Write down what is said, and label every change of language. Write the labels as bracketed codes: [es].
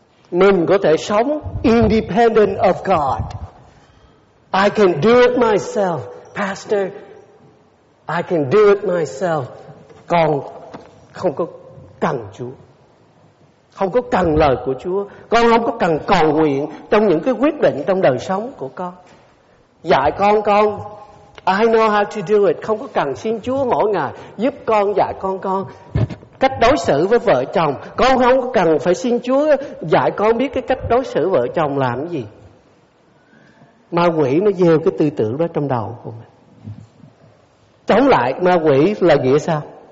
[vi] Mình có thể sống [en] independent of God. I can do it myself. Pastor, I can do it myself. [vi] Còn không có cần Chúa. Không có cần lời của Chúa. Con không có cần cầu nguyện trong những cái quyết định trong đời sống của con. Dạy con, [en] I know how to do it. [vi] Không có cần xin Chúa mỗi ngày giúp con dạy con cách đối xử với vợ chồng. Con không có cần phải xin Chúa dạy con biết cái cách đối xử vợ chồng làm cái gì. Ma quỷ nó gieo cái tư tưởng đó trong đầu của mình. Chống lại ma quỷ là nghĩa sao?